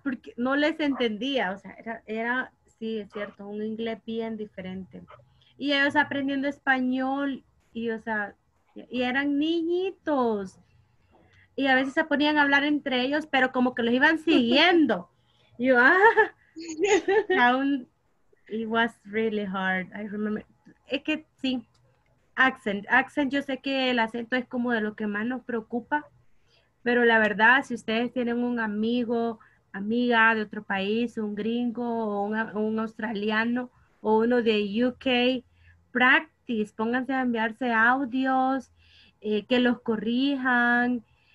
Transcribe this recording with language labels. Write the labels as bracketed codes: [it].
[es] Porque no les entendía, o sea, era sí, es cierto, un inglés bien diferente. Y ellos aprendiendo español, y o sea, y eran niñitos. Y a veces se ponían a hablar entre ellos, pero como que los iban siguiendo. Y yo, [en] it was really hard, I remember. [es] Es que sí, accent, yo sé que el acento es como de lo que más nos preocupa, pero la verdad, si ustedes tienen un amigo, amiga de otro país, un gringo, o un australiano, o uno de UK, practice, pónganse a enviarse audios, que los corrijan,